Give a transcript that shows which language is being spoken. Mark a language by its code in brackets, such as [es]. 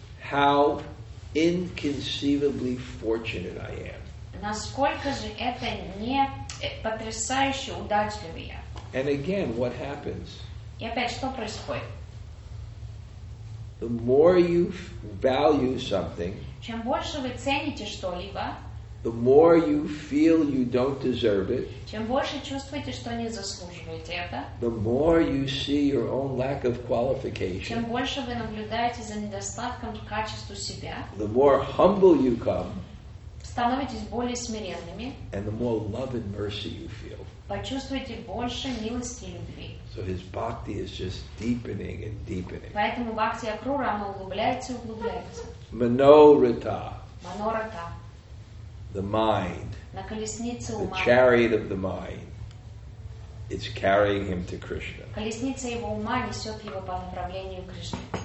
[en] How inconceivably fortunate I am. [ru] Насколько же это не потрясающе удачливый я. [en] And again, what happens? [ru] И опять, что происходит? [en] The more you value something, [ru] чем больше вы цените что-либо, [en] the more you feel you don't deserve it, [ru] чем больше чувствуете, что не заслуживаете это, [en] the more you see your own lack of qualification, [ru] чем больше вы наблюдаете за недостатком качества себя, [en] the more humble you come, [ru] становитесь более смиренными, [en] and the more love and mercy you feel. [ru] Почувствуйте больше милости и любви. [en] So his bhakti is just deepening and deepening. [ru] Поэтому бхакти Акрура углубляется и углубляется. [sa] Manorata. Manorata. [en] The mind. [ru] На колеснице ума. [en] The chariot of the mind. It's carrying him to Krishna. [ru] Колесница его ума несет его по направлению к Кришне.